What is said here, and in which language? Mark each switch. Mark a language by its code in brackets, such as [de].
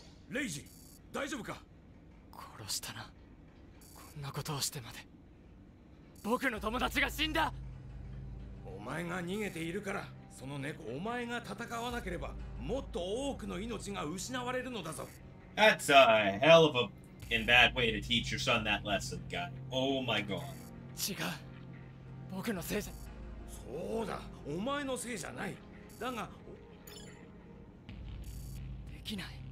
[ja] レイジ、大丈夫か？殺したな。こんなことをしてまで。僕の友達が死んだ。お前が逃げているから、その猫、お前が戦わなければ、もっと多くの命が失われるのだぞ。 [en] That's a hell of a in bad way to teach your son that lesson, guy. Oh my god. [ja] 違う。僕のせいじゃ。そうだ、お前のせいじゃない。だが、できない。